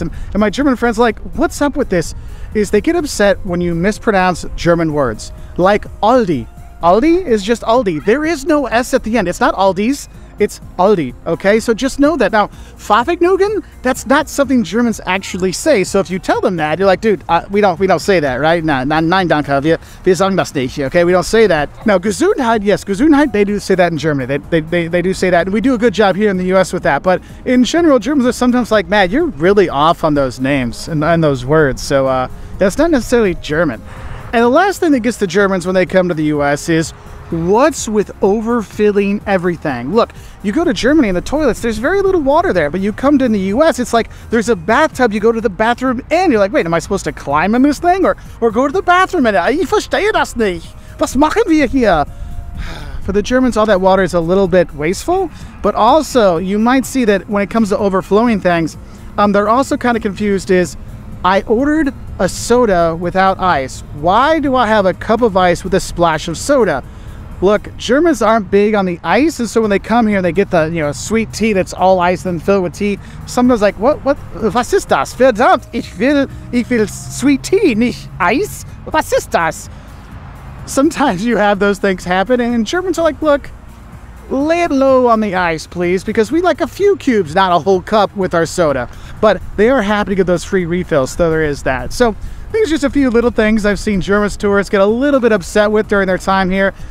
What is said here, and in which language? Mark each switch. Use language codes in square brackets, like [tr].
[en] And my German friends like, what's up with this? Is they get upset when you mispronounce German words, like Aldi. Aldi is just Aldi. There is no S at the end. It's not Aldi's, it's Aldi, okay? So just know that. Now, Pfaffignugen, that's not something Germans actually say. So if you tell them that, you're like, dude, we don't say that, right? [de] Nein, danke, wir sagen das nicht, okay? [en] We don't say that. Now, Gesundheit, yes, Gesundheit, they do say that in Germany. They do say that, and we do a good job here in the US with that. But in general, Germans are sometimes like, man, you're really off on those names and those words. So that's not necessarily German. And the last thing that gets the Germans when they come to the US is, what's with overfilling everything? Look, you go to Germany and the toilets, there's very little water there, but you come to the US, it's like there's a bathtub, you go to the bathroom and you're like, wait, am I supposed to climb in this thing or go to the bathroom in it? [de] Ich verstehe das nicht. Was machen wir hier? [en] For the Germans, all that water is a little bit wasteful, but also you might see that when it comes to overflowing things, they're also kind of confused is, I ordered a soda without ice. Why do I have a cup of ice with a splash of soda? Look, Germans aren't big on the ice, and so when they come here and they get the, you know, sweet tea that's all ice and filled with tea, sometimes like, what, [de] was ist das? Verdammt, ich will sweet tea, nicht ice, was ist das? [en] Sometimes you have those things happen, and Germans are like, look, lay it low on the ice, please, because we like a few cubes, not a whole cup with our soda. But they are happy to get those free refills, so there is that. So these are just a few little things I've seen German tourists get a little bit upset with during their time here.